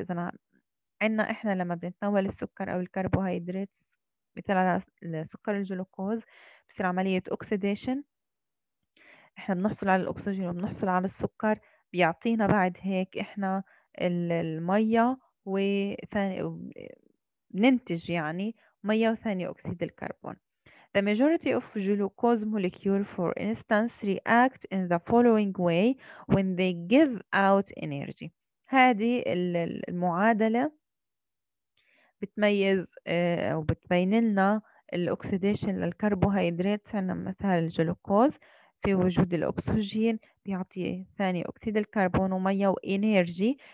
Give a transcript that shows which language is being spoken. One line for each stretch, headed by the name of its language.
Arabic: إذا عندنا إحنا لما بنتناول السكر أو الكربوهيدرات مثل على السكر الجلوكوز، بصير عملية أكسيديشن، إحنا بنحصل على الأكسجين وبنحصل على السكر، بيعطينا بعد هيك إحنا المية وثاني بننتج يعني مية وثاني أكسيد الكربون.
English: The majority of glucose molecule, for instance, react in the following way when they give out energy.
Arabic: هذه المعادلة بتميز أو بتبين لنا الأكسيديشن للكربوهيدرات. عندنا مثال الجلوكوز في وجود الأكسجين بيعطي ثاني أكسيد الكربون ومية وإنرجي.